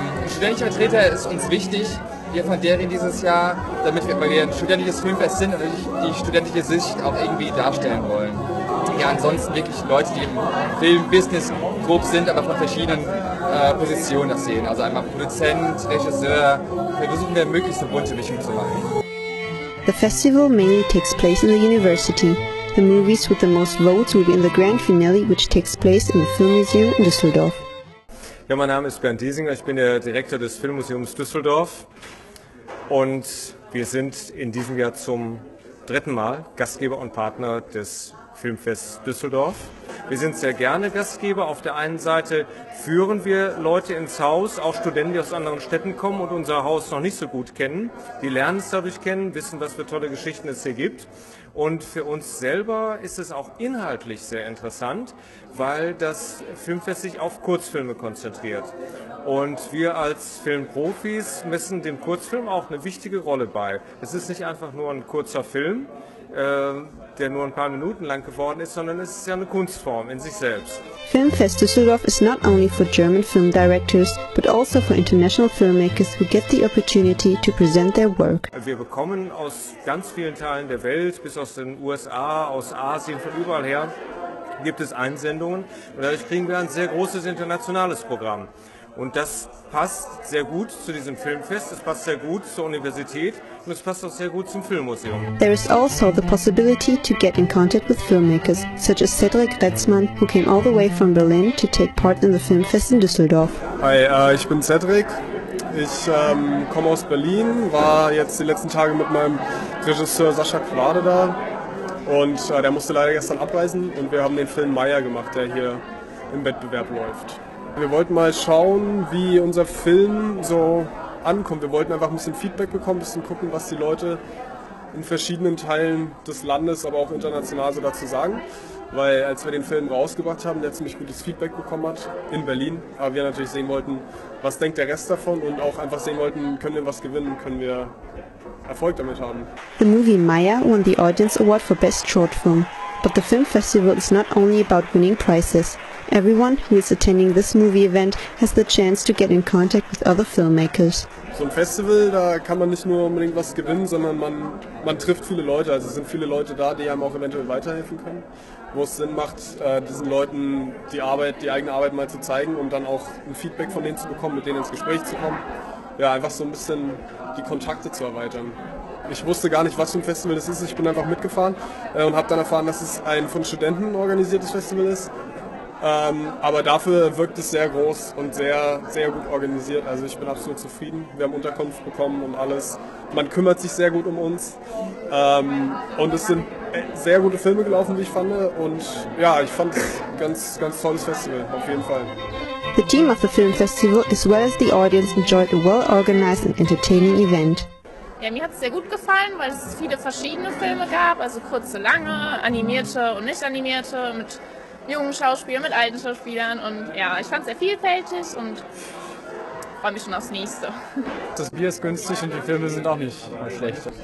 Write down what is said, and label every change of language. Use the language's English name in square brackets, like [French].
[German] Studentenvertreter ist uns wichtig, hier von deren dieses Jahr, damit wir ein studentisches Filmfest sind und die studentische Sicht auch irgendwie darstellen wollen. Ja, ansonsten wirklich Leute, die im Filmbusiness grob sind, aber von verschiedenen Positionen das sehen. Also einmal Produzent, Regisseur. Wir versuchen, eine möglichst bunte Mischung zu machen. [English] The festival mainly takes place in the university. The movies with the most votes will be in the grand finale, which takes place in the Film Museum in Düsseldorf. [German] Ja, mein Name ist Bernd Diesinger, ich bin der Direktor des Filmmuseums Düsseldorf. Und wir sind in diesem Jahr zum dritten Mal Gastgeber und Partner des Filmfest Düsseldorf. Wir sind sehr gerne Gastgeber. Auf der einen Seite führen wir Leute ins Haus, auch Studenten, die aus anderen Städten kommen und unser Haus noch nicht so gut kennen. Die lernen es dadurch kennen, wissen, was für tolle Geschichten es hier gibt. Und für uns selber ist es auch inhaltlich sehr interessant, weil das Filmfest sich auf Kurzfilme konzentriert. Und wir als Filmprofis messen dem Kurzfilm auch eine wichtige Rolle bei. Es ist nicht einfach nur ein kurzer Film, der nur ein paar Minuten lang geworden ist, sondern es ist ja eine Kunstform in sich selbst. [English] Filmfest Düsseldorf is not only for German film directors, but also for international filmmakers who get the opportunity to present their work. [German] Wir bekommen aus ganz vielen Teilen der Welt, bis aus den USA, aus Asien, von überall her, gibt es Einsendungen. Und dadurch kriegen wir ein sehr großes internationales Programm. Und das passt sehr gut zu diesem Filmfest, es passt sehr gut zur Universität und es passt auch sehr gut zum Filmmuseum. [English] There is also the possibility to get in contact with filmmakers, such as Cedric Retzmann, who came all the way from Berlin to take part in the Filmfest in Düsseldorf. [German] Hi, ich bin Cedric. Ich komme aus Berlin, war jetzt die letzten Tage mit meinem Regisseur Sascha Quade da und der musste leider gestern abreisen und wir haben den Film Meier gemacht, der hier im Wettbewerb läuft. Wir wollten mal schauen, wie unser Film so ankommt. Wir wollten einfach ein bisschen Feedback bekommen, ein bisschen gucken, was die Leute in verschiedenen Teilen des Landes, aber auch international so dazu sagen. Weil als wir den Film rausgebracht haben, der ziemlich gutes Feedback bekommen hat in Berlin, aber wir natürlich sehen wollten, was denkt der Rest davon und auch einfach sehen wollten, können wir was gewinnen, können wir Erfolg damit haben. [English] The movie Maya won the Audience Award for Best Short Film. But the film festival is not only about winning prizes. Everyone who is attending this movie event has the chance to get in contact with other filmmakers. [German] So ein Festival, da kann man nicht nur unbedingt was gewinnen, sondern man trifft viele Leute. Also es sind viele Leute da, die einem auch eventuell weiterhelfen können. Wo es Sinn macht, diesen Leuten die Arbeit, die eigene Arbeit mal zu zeigen und dann auch ein Feedback von denen zu bekommen, mit denen ins Gespräch zu kommen. Ja, einfach so ein bisschen die Kontakte zu erweitern. Ich wusste gar nicht, was für ein Festival das ist. Ich bin einfach mitgefahren und habe dann erfahren, dass es ein von Studenten organisiertes Festival ist. Aber dafür wirkt es sehr groß und sehr, sehr gut organisiert. Also ich bin absolut zufrieden. Wir haben Unterkunft bekommen und alles. Man kümmert sich sehr gut um uns. Und es sind sehr gute Filme gelaufen, wie ich fand. Und ja, ich fand es ein ganz, ganz tolles Festival, auf jeden Fall. [English] The team of the film festival as well as the audience enjoyed a well organized and entertaining event. [German] Ja, mir hat es sehr gut gefallen, weil es viele verschiedene Filme gab, also kurze, lange, animierte und nicht animierte, mit jungen Schauspielern, mit alten Schauspielern. Und ja, ich fand es sehr vielfältig und freue mich schon aufs Nächste. Das Bier ist günstig und die Filme sind auch nicht schlecht.